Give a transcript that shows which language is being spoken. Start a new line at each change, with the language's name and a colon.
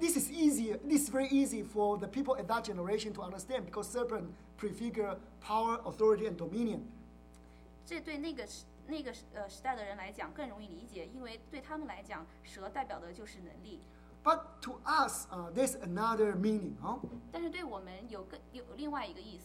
English: This is easy. This is very easy for the people at that generation to understand because serpent prefigure power, authority, and dominion.
Chinese: 这对那个时代的人来讲更容易理解，因为对他们来讲，蛇代表的就是能力。
English: But to us, there's another meaning, huh?
Chinese: 但是对我们有另外一个意思。